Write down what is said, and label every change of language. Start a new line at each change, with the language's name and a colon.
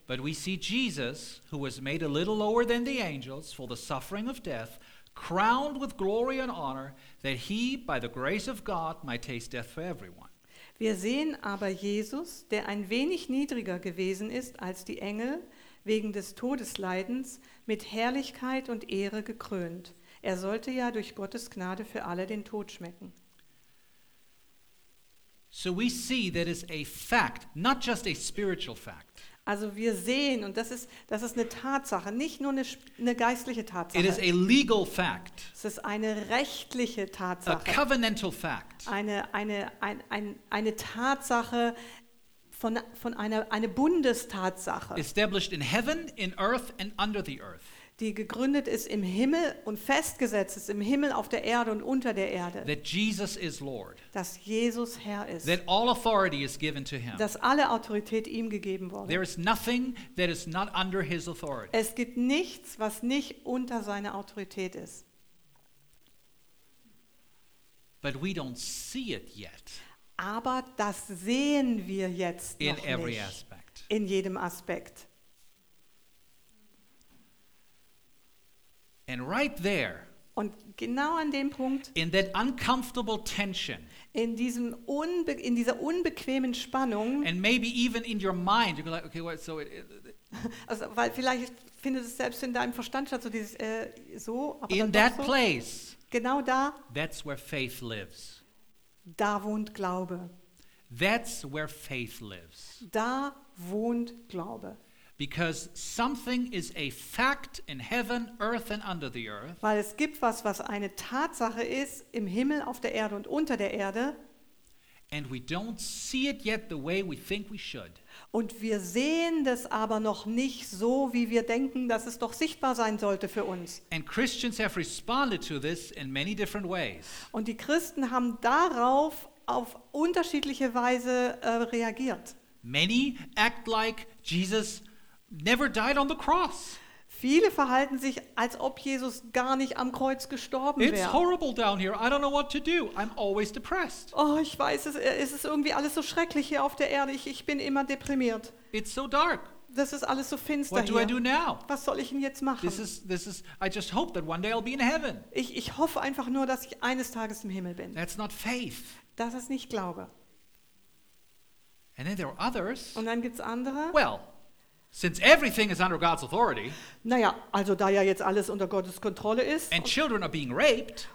English: But we see Jesus, who was made a little lower than the angels for the suffering of death, crowned with glory and honor, that he, by the grace of God, might taste death for everyone.
German: Wir sehen aber Jesus, der ein wenig niedriger gewesen ist als die Engel, wegen des Todesleidens mit Herrlichkeit und Ehre gekrönt. Er sollte ja durch Gottes Gnade für alle den Tod schmecken.
English: So we see that is a fact, not just a spiritual fact.
German: Also wir sehen, und das ist eine Tatsache, nicht nur eine geistliche Tatsache.
English: It is a legal fact.
German: Es ist eine rechtliche Tatsache.
English: A covenantal fact.
German: Eine Tatsache von einer Bundestatsache.
English: Established in heaven, in earth and under the earth.
German: Die gegründet ist im Himmel und festgesetzt ist im Himmel, auf der Erde und unter der Erde.
English: That Jesus is Lord.
German: Dass Jesus Herr ist.
English: That all authority is given to him.
German: Dass alle Autorität ihm gegeben wurde.
English: There is nothing that is not under his authority.
German: Es gibt nichts, was nicht unter seiner Autorität ist.
English: But we don't see it yet.
German: Aber das sehen wir jetzt noch
English: in every
German: nicht.
English: Aspect.
German: In jedem Aspekt.
English: And right there,
German: und genau an dem Punkt,
English: in that uncomfortable tension,
German: in dieser unbequemen Spannung,
English: and maybe even in your mind, you're like, okay, what? So,
German: also, weil vielleicht findet es selbst in deinem Verstand statt, so dieses so. Aber
English: in that
German: so,
English: place,
German: genau da,
English: that's where faith lives.
German: Da wohnt Glaube.
English: That's where faith lives.
German: Da wohnt Glaube.
English: Because something is a fact in heaven, earth and under the earth.
German: Weil es gibt was, was eine Tatsache ist im Himmel, auf der Erde und unter der Erde.
English: And we don't see it yet the way we think we should.
German: Und wir sehen das aber noch nicht so, wie wir denken, dass es doch sichtbar sein sollte für uns.
English: And Christians have responded to this in many different ways.
German: Und die Christen haben darauf auf unterschiedliche Weise reagiert.
English: Many act like Jesus never died on the cross.
German: Viele verhalten sich, als ob Jesus gar nicht am Kreuz gestorben wäre.
English: It's horrible down here. I don't know what to do. I'm always depressed.
German: Oh, ich weiß, es ist irgendwie alles so schrecklich hier auf der Erde. Ich bin immer deprimiert.
English: It's so dark.
German: Das ist alles so finster hier.
English: What do I do now?
German: Was soll ich denn jetzt machen?
English: This is I just hope that one day I'll be in heaven.
German: Ich hoffe einfach nur, dass ich eines Tages im Himmel bin.
English: That's not faith.
German: Das ist nicht Glaube.
English: And then there are others.
German: Und dann gibt's andere.
English: Well, since everything is under God's authority.
German: Naja, also da ja jetzt alles unter Gottes Kontrolle ist.
English: And children are being raped.